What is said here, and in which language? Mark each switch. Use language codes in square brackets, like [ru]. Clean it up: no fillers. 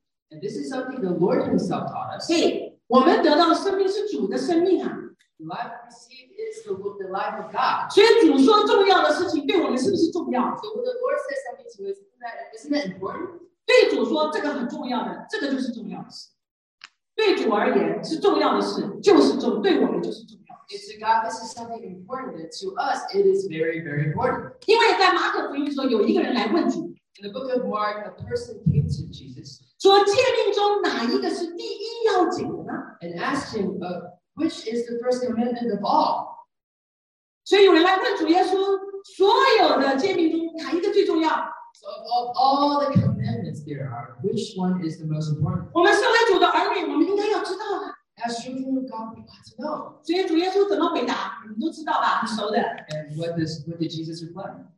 [en] And this is something the Lord Himself taught us. [zh] Hey, 我们得到生命是主的生命啊. [en] Life received is the life of God. [zh] 所以主说重要的事情对我们是不是重要? [en] So when the Lord says something to us, isn't that important? [zh] 对主说这个很重要的，这个就是重要的事。对主而言是重要的事，就是重，对我们就是重要的事。 [en] If to God this is something important, then to us it is very, very important. [zh] 因为在马可福音说有一个人来问主。 [en] In the book of Mark, a person came to Jesus. [zh] 说诫命中哪一个是第一要紧的呢? [en] And asked him, which is the first commandment of all? [zh] 所以有人来问主耶稣，所有的诫命中哪一个最重要？ [en] So of all the commandments there are, which one is the most important? [zh] 我们身为主的儿女，我们应该要知道的。 [en] As children of God, we ought to know. [zh] 所以主耶稣怎么回答？你们都知道吧？很熟的。 [en] And what did Jesus reply?